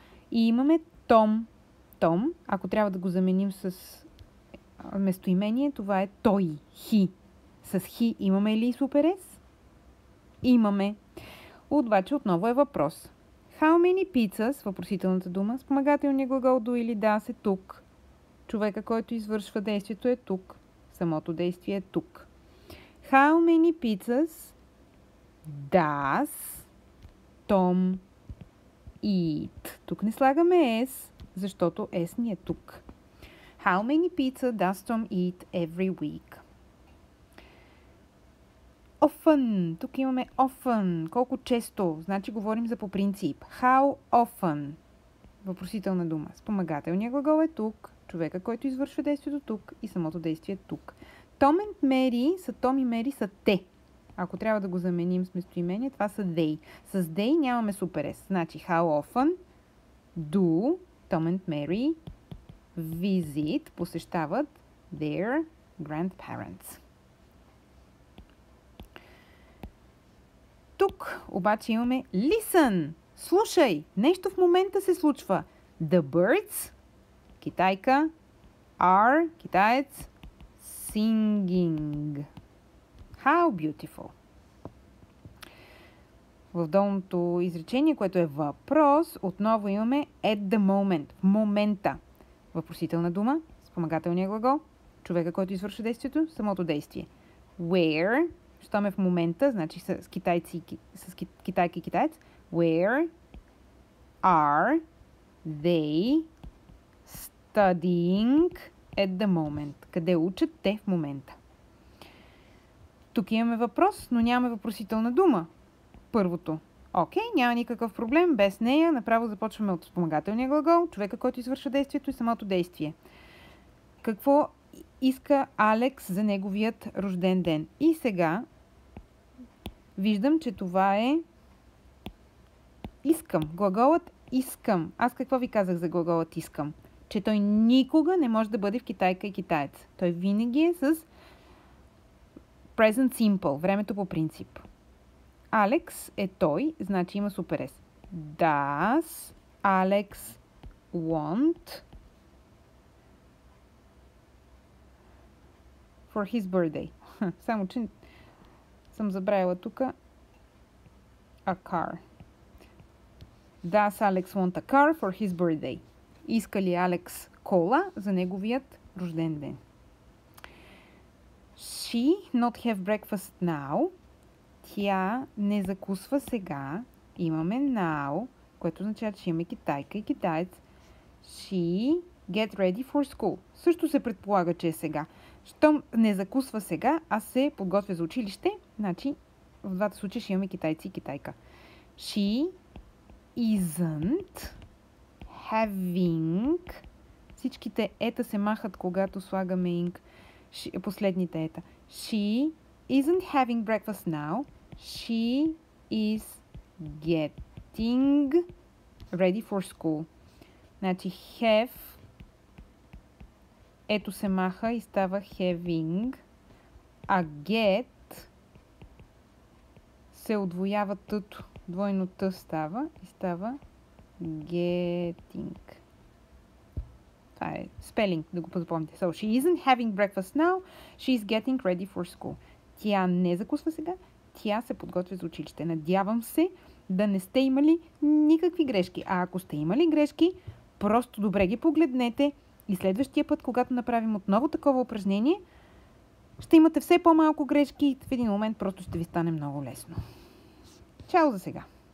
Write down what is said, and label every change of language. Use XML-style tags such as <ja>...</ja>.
<bg>И имаме Tom. Tom, ако трябва да го заменим с местоимение, това е той, he. С he имаме ли супер ес? Имаме. Обаче отново е въпрос.</bg> <en>How many pizzas,</en> <bg>въпросителната дума, спомагателния глагол do или does е тук. Човека, който извършва действието е тук. Самото действие е тук.</bg> <en>How many pizzas does Tom eat?</en> <bg>Тук не слагаме S, защото S ни е тук.</bg> <en>How many pizza does Tom eat every week? Often.</en> <bg>Тук имаме often. Колко често? Значи говорим за по принцип.</bg> <en>How often?</en> <bg>Въпросителна дума. Спомагателният глагол е тук. Човека, който извършва действието тук. И самото действие е тук. Tom and Mary са Tom и Mary са те. Ако трябва да го заменим с местоимение, това са they. С they нямаме супер ес.</bg> <en>Значи how often do Tom and Mary visit, посещават their grandparents.</en> <bg>Тук обаче имаме listen. Слушай, нещо в момента се случва.</bg> <en>The birds, китайка, are, китаец, singing. How beautiful.</en> <bg>В долното изречение, което е въпрос, отново имаме</bg> <en>at the moment.</en> <bg>В момента. Въпросителна дума, спомагателния глагол, човека, който извършва действието, самото действие. Where, щом е в момента, значи с китайци, с китайки и китаец.</bg> <en>Where are they studying at the moment?</en> <bg>Къде учат те в момента? Тук имаме въпрос, но нямаме въпросителна дума. Първото. Окей, няма никакъв проблем. Без нея направо започваме от спомагателния глагол. Човека, който извършва действието и самото действие. Какво иска Алекс за неговият рожден ден? И сега виждам, че това е искам. Глаголът искам. Аз какво ви казах за глаголът искам? Че той никога не може да бъде в китайка и китаец. Той винаги е с present simple, времето по принцип. Алекс е той, значи има супер ес.</bg> <en>Does Alex want for his birthday?</en> <bg>Само, че съм забравила тук a car.</bg> <en>Does Alex want a car for his birthday?</en> <bg>Иска ли Алекс кола за неговият рожден ден?</bg> <en>She not have breakfast now.</en> <bg>Тя не закусва сега. Имаме now, което означава, че имаме китайка и китаец.</bg> <en>She get ready for school.</en> <bg>Също се предполага, че е сега. Щом не закусва сега, а се подготвя за училище, значи в двата случая ще имаме китайци и китайка.</bg> <en>She isn't having.</en> <bg>Всичките ета се махат, когато слагаме ing. Последните ета.</bg> <en>She isn't having breakfast now. She is getting ready for school.</en> <bg>Значи have. Ето се маха и става having. А get се удвоява тъто. Двойно т става и става getting. Това е спелинг, да го запомните.</bg> <en>So, she isn't having breakfast now. She is getting ready for school.</en> <bg>Тя не закусва сега. Тя се подготвя за училище. Надявам се да не сте имали никакви грешки. А ако сте имали грешки, просто добре ги погледнете. И следващия път, когато направим отново такова упражнение, ще имате все по-малко грешки и в един момент просто ще ви стане много лесно. Чао за сега!</bg>